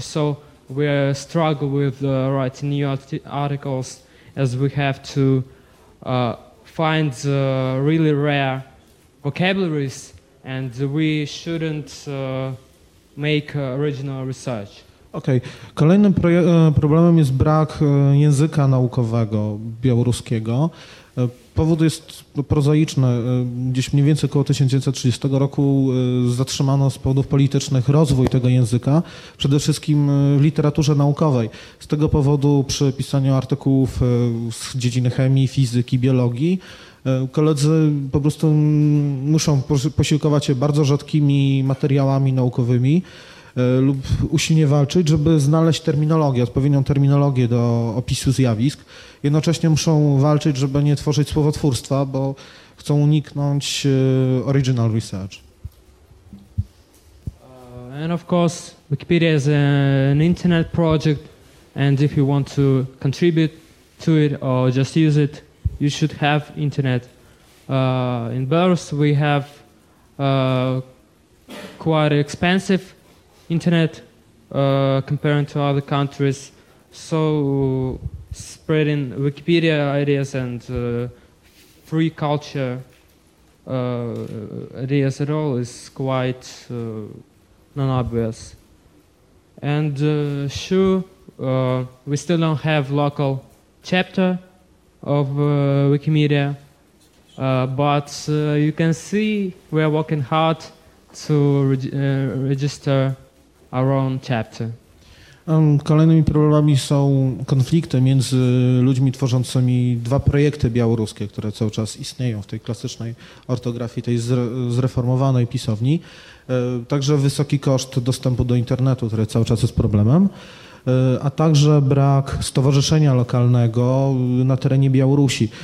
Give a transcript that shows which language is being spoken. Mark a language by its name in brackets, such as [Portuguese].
[English] So we struggle with writing new articles, as we have to find really rare vocabularies, and we shouldn't make original research. Okay. [Polish] Kolejnym problemem jest brak języka naukowego białoruskiego. Powód jest prozaiczny. Gdzieś mniej więcej około 1930 roku zatrzymano z powodów politycznych rozwój tego języka, przede wszystkim w literaturze naukowej. Z tego powodu przy pisaniu artykułów z dziedziny chemii, fizyki, biologii, koledzy po prostu muszą posiłkować się bardzo rzadkimi materiałami naukowymi lub usilnie walczyć, żeby znaleźć terminologię, odpowiednią terminologię do opisu zjawisk. Jednocześnie muszą walczyć, żeby nie tworzyć słowotwórstwa, bo chcą uniknąć original research. [English] And of course, Wikipedia is an internet project, and if you want to contribute to it or just use it, you should have internet. In Belarus we have quite expensive internet compared to other countries, so spreading Wikipedia ideas and free culture ideas at all is quite non-obvious. And sure, we still don't have local chapter of Wikimedia, but you can see we are working hard to register our own chapter. [Polish] Kolejnymi problemami są konflikty między ludźmi tworzącymi dwa projekty białoruskie, które cały czas istnieją w tej klasycznej ortografii, tej zreformowanej pisowni. Także wysoki koszt dostępu do internetu, który cały czas jest problemem, a także brak stowarzyszenia lokalnego na terenie Białorusi.